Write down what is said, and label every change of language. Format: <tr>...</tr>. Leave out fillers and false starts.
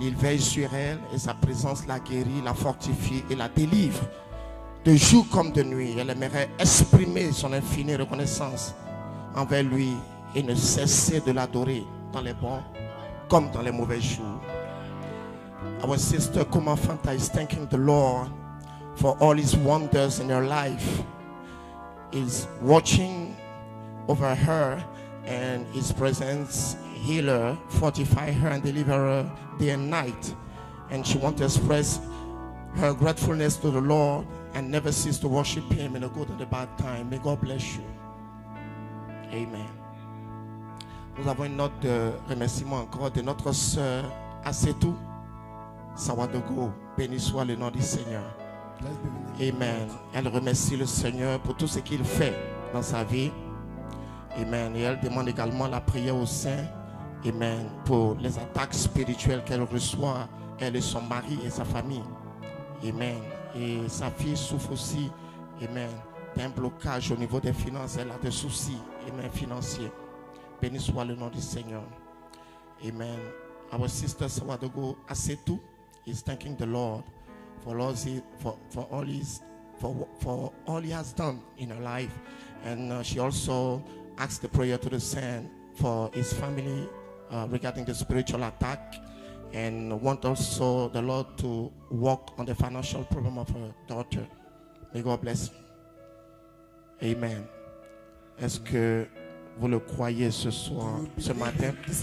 <fr>Il veille sur elle et sa présence la guérit, la fortifie et la délivre de jour comme de nuit. Elle aimerait exprimer son infinie reconnaissance envers lui et ne cesser de l'adorer dans les bons comme dans les mauvais jours.</fr> <en>Our sister Kuma Fanta is thanking the Lord for all his wonders in her life. He's watching over her and his presence healer, fortify her and deliver her day and night. And she wants to express her gratefulness to the Lord and never cease to worship him in the good and the bad time. May God bless you. Amen.</en> <fr>Nous avons une note de remerciement encore de notre sœur Asetou Sawadogo. Béni soit le nom du Seigneur. Amen. Elle remercie le Seigneur pour tout ce qu'il fait dans sa vie. Amen. Et elle demande également la prière au Saint. Amen. Pour les attaques spirituelles qu'elle reçoit, elle et son mari et sa famille. Amen. Et sa fille souffre aussi, amen, d'un blocage au niveau des finances. Elle a des soucis, amen, financiers. Béni soit le nom du Seigneur. Amen.</fr> <en>Our sister Sawadogo Asetou is thanking the Lord for all he has done in her life. And she also asks the prayer to the Saint for his family. Regarding the spiritual attack, and want also the Lord to work on the financial problem of her daughter. May God bless. Amen.</en> <fr>Est-ce que vous le croyez ce soir, ce matin?</fr>